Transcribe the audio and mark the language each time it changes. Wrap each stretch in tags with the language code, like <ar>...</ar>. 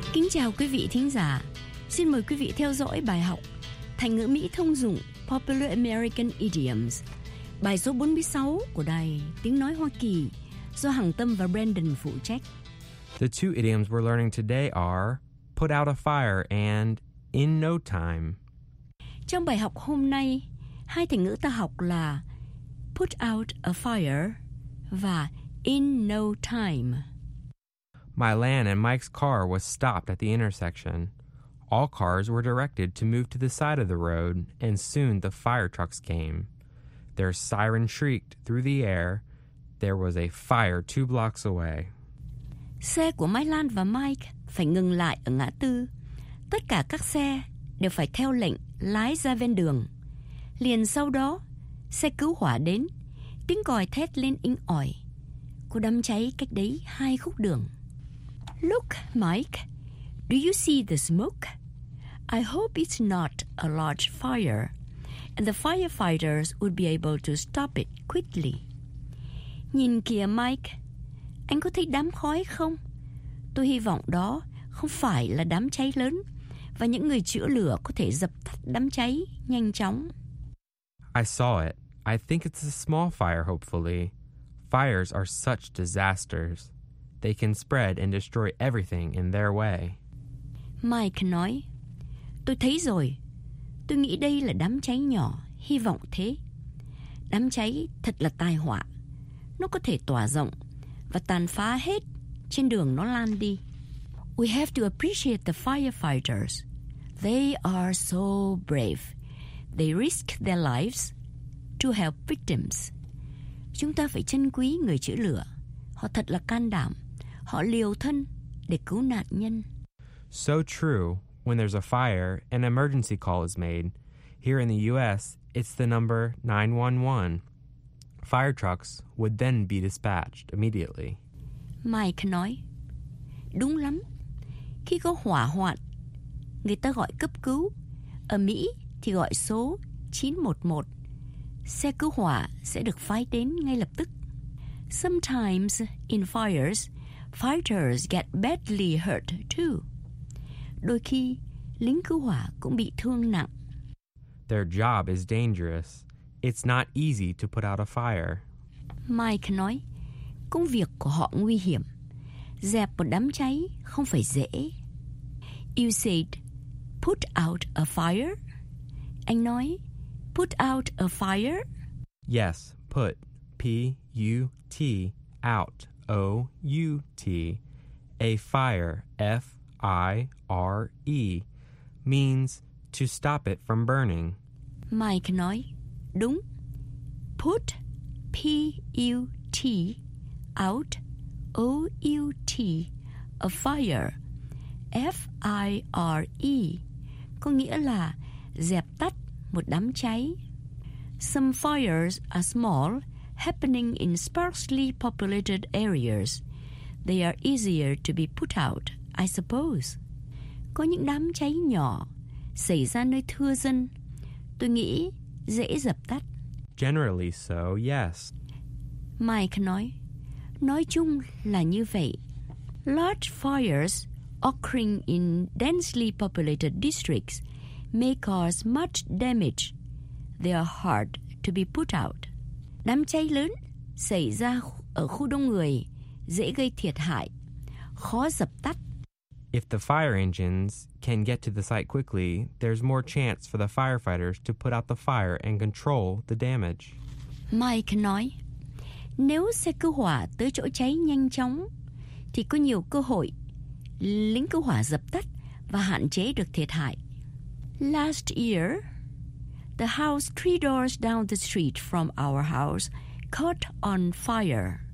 <vi>Chào quý vị thính giả, Xin mời quý vị theo dõi bài học Thành ngữ Mỹ thông dụng Popular American Idioms, bài số 46 của đài Tiếng Nói Hoa Kỳ do Hằng Tâm và Brandon phụ trách.</vi> <en>The two idioms we're learning today are put out a fire and in no time.</en> <vi>Trong bài học hôm nay, hai thành ngữ ta học là put out a fire và in no time.</vi> <en>My Lan and Mike's car was stopped at the intersection. All cars were directed to move to the side of the road, and soon the fire trucks came. Their siren shrieked through the air. There was a fire two blocks away.</en> <vi>Xe của Mai Lan và Mike phải ngừng lại ở ngã tư. Tất cả các xe đều phải theo lệnh lái ra ven đường. Liền sau đó, xe cứu hỏa đến, tiếng còi thét lên inh ỏi. Có đám cháy cách đấy hai khúc đường.</vi> <en>Look, Mike. Do you see the smoke? I hope it's not a large fire, and the firefighters would be able to stop it quickly.</en> <vi>Nhìn kìa Mike, anh có thấy đám khói không? Tôi hy vọng đó không phải là đám cháy lớn, và những người chữa lửa có thể dập tắt đám cháy nhanh chóng.</vi> <en>I saw it. I think it's a small fire, hopefully. Fires are such disasters. They can spread and destroy everything in their way.</en> <vi>Mike nói, tôi thấy rồi, tôi nghĩ đây là đám cháy nhỏ, hy vọng thế. Đám cháy thật là tai họa, nó có thể tỏa rộng và tàn phá hết trên đường nó lan đi.</vi> <en>We have to appreciate the firefighters. They are so brave. They risk their lives to help victims.</en> <vi>Chúng ta phải trân quý người chữa lửa, họ thật là can đảm, họ liều thân để cứu nạn nhân.</vi> <en>So true, when there's a fire, an emergency call is made. Here in the U.S., it's the number 911. Fire trucks would then be dispatched immediately.</en> <vi>Mike nói, đúng lắm. Khi có hỏa hoạn, người ta gọi cấp cứu. Ở Mỹ thì gọi số 911. Xe cứu hỏa sẽ được phái đến ngay lập tức.</vi> <en>Sometimes in fires, fighters get badly hurt too.</en> <vi>Đôi khi, lính cứu hỏa cũng bị thương nặng.</vi> <en>Their job is dangerous. It's not easy to put out a fire.</en> <vi>Mike nói, công việc của họ nguy hiểm. Dẹp một đám cháy không phải dễ.</vi> <en>You said, put out a fire?</en> <vi>Anh nói, put out a fire?</vi> <en>Yes, put, P-U-T, out, O-U-T, a fire, F. I-R-E means to stop it from burning.</en> <vi>Mike nói, đúng. Put, P-U-T, out, O-U-T, a fire, F-I-R-E, có nghĩa là dẹp tắt một đám cháy.</vi> <en>Some fires are small, happening in sparsely populated areas. They are easier to be put out, I suppose.</en> <vi>Có những đám cháy nhỏ xảy ra nơi thưa dân. Tôi nghĩ dễ dập tắt.</vi> <en>Generally so, yes.</en> <vi>Mike nói, nói chung là như vậy.</vi> <en>Large fires occurring in densely populated districts may cause much damage. They are hard to be put out.</en> <vi>Đám cháy lớn xảy ra ở khu đông người dễ gây thiệt hại, khó dập tắt.</vi> <en>If the fire engines can get to the site quickly, there's more chance for the firefighters to put out the fire and control the damage.</en> <vi>Mike nói, nếu xe cứu hỏa tới chỗ cháy nhanh chóng, thì có nhiều cơ hội lính cứu hỏa dập tắt và hạn chế được thiệt hại.</vi> <en>Last year, the house three doors down the street from our house caught on fire.</en>